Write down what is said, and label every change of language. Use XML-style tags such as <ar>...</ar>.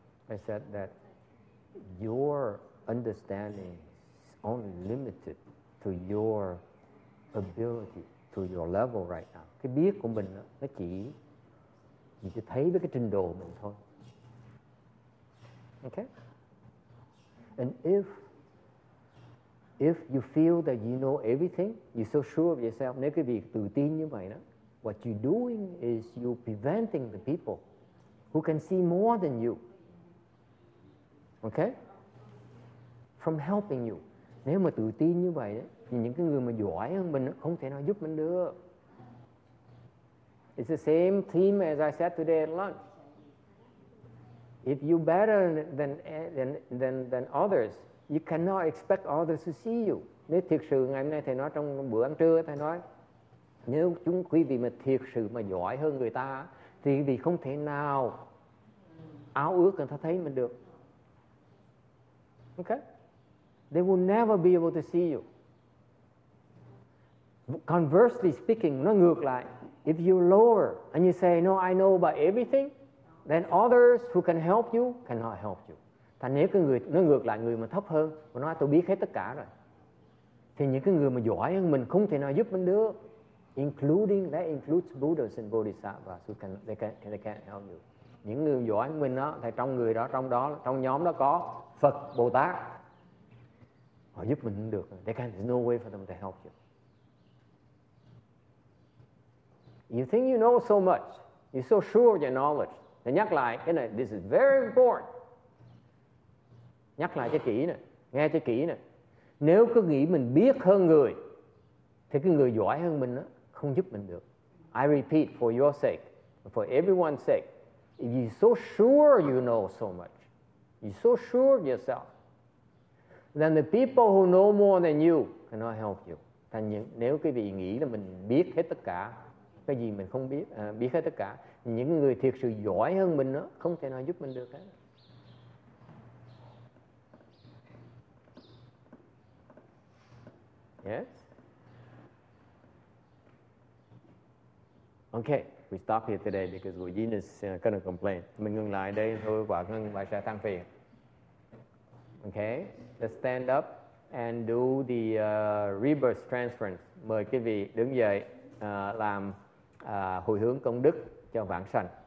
<en>I said that your understanding is only limited to your ability, to your level right now.</en> <vi>Cái biết của mình nó chỉ thấy với cái trình độ mình thôi.</vi> <en>Okay? And if you feel that you know everything, you're so sure of yourself,</en> <vi>nếu cái việc tự tin như vậy,</vi> <en>what you're doing is you're preventing the people who can see more than you, okay, from helping you.</en> <vi>Nếu mà tự tin như vậy, thì những cái người mà giỏi hơn mình không thể nào giúp mình được.</vi> <en>It's the same theme as I said today at lunch. If you're better than others, you cannot expect others to see you.</en> <vi>Nếu thiệt sự ngày hôm nay thầy nói trong bữa ăn trưa, thầy nói nếu chúng quý vị mà thiệt sự mà giỏi hơn người ta thì quý vị không thể nào ao ước người ta thấy mình được.</vi> <en>Okay? They will never be able to see you. Conversely speaking,</en> <vi>nó ngược lại.</vi> <en>If you lower and you say, no, I know about everything, then others who can help you cannot help you.</en> <vi>Thành nếu cái người nó ngược lại, người mà thấp hơn mà nói tôi biết hết tất cả rồi, thì những cái người mà giỏi hơn mình không thể nào giúp mình được.</vi> <en>Including, that includes Buddhas and Bodhisattvas who can, they can't help you.</en> <vi>Những người giỏi hơn mình đó, thì trong người đó, trong nhóm đó có Phật, Bồ Tát, họ giúp mình không được.</vi> <en>There's no way for them to help you. You think you know so much, you're so sure of your knowledge.</en> <vi>Thì nhắc lại cái này,</vi> <en>this is very important.</en> <vi>Nhắc lại cho kỹ nè, nghe cho kỹ nè. Nếu cứ nghĩ mình biết hơn người, thì cái người giỏi hơn mình đó, không giúp mình được.</vi> <en>I repeat, for your sake, for everyone's sake, if you're so sure you know so much, you're so sure of yourself, then the people who know more than you cannot help you.</en> <vi>Thành nếu cái vị nghĩ là mình biết hết tất cả, cái gì mình không biết, biết hết tất cả, những người thiệt sự giỏi hơn mình đó, không thể nào giúp mình được hết.</vi> <en>Yes. Okay, we stop here today because Eugene is going to complain.</en> <vi>Mình ngừng lại đây thôi, quả ngưng bài sẽ than phiền.</vi> <en>Okay, let's stand up and do the rebirth transference.</en> <vi>Mời quý vị đứng dậy làm hồi hướng công đức cho vãng sanh.</vi>